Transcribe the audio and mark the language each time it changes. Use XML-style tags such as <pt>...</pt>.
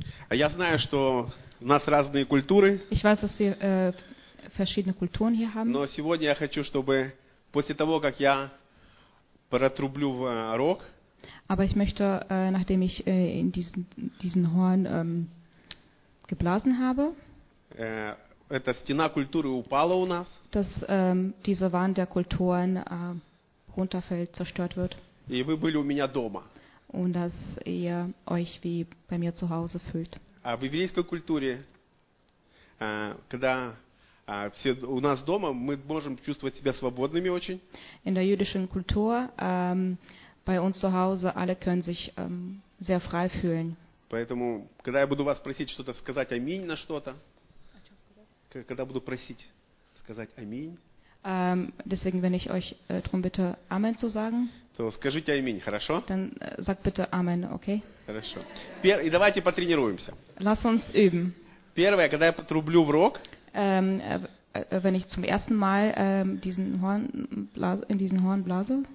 <ru>Я знаю, что у нас разные культуры.</ru> <de>Ich weiß, dass wir verschiedene Kulturen hier haben.</de> <ru>Но сегодня я хочу, чтобы после того, как я протрублю в рог,</ru> <de>aber ich möchte, nachdem ich in diesen Horn geblasen habe,</de> <ru>эта стена культуры упала у нас,</ru> <de>dass diese Wand der Kulturen runterfällt, zerstört wird.</de> <ru>И вы были у меня дома.</ru> <de>Und dass ihr euch wie bei mir zu Hause fühlt.</de> <ru>А в еврейской культуре, когда все у нас дома, мы можем чувствовать себя свободными очень.</ru> <de>In der jüdischen Kultur, bei uns zu Hause, alle können sich sehr frei fühlen.</de> <ru>Поэтому, когда я буду вас просить что-то сказать, аминь на что-то, когда буду просить сказать аминь,</ru> <de>Deswegen, wenn ich euch darum bitte, Amen zu sagen,</de> <ru>то скажите аминь, хорошо?</ru> <de>Dann sagt bitte Amen, okay?</de> <ru>Хорошо. И давайте потренируемся.</ru> <de>Lass uns üben.</de> <ru>Первое, когда я потрублю в рог,</ru> <de>wenn ich zum ersten Mal diesen Horn blase,</de>